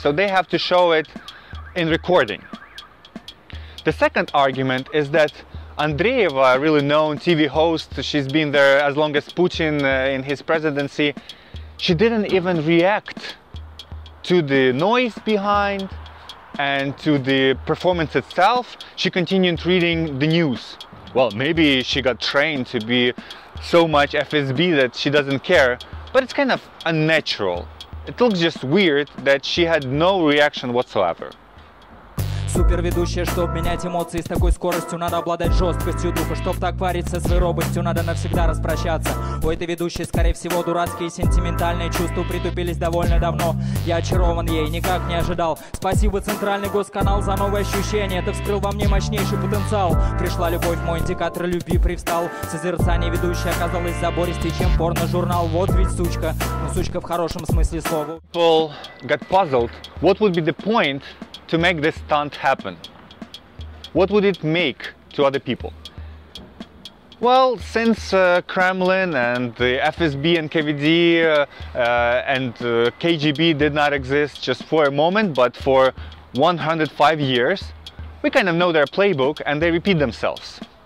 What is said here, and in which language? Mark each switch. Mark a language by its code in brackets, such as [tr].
[en] So they have to show it in recording. The second argument is that Andreeva, a really known TV host, she's been there as long as Putin in his presidency, she didn't even react to the noise behind and to the performance itself. She continued reading the news. Well, maybe she got trained to be so much FSB that she doesn't care, but it's kind of unnatural. It looks just weird that she had no reaction whatsoever. [ru] Суперведущая, чтоб менять эмоции с такой скоростью, надо обладать жесткостью духа, чтоб так париться с робостью, надо навсегда распрощаться. У этой ведущей, скорее всего, дурацкие сентиментальные чувства притупились довольно давно. Я очарован ей, никак не ожидал. Спасибо, центральный госканал, за новые ощущения. Это вскрыл во мне мощнейший потенциал. Пришла любовь, мой индикатор любви привстал. Созерцание ведущей оказалось забористее, чем порно-журнал. Вот ведь сучка, ну сучка в хорошем смысле слова. [en] Paul got puzzled. What would be the point to make this stunt happen? What would it make to other people? Well, since Kremlin and the FSB and KVD KGB did not exist just for a moment, but for 105 years, we kind of know their playbook and they repeat themselves.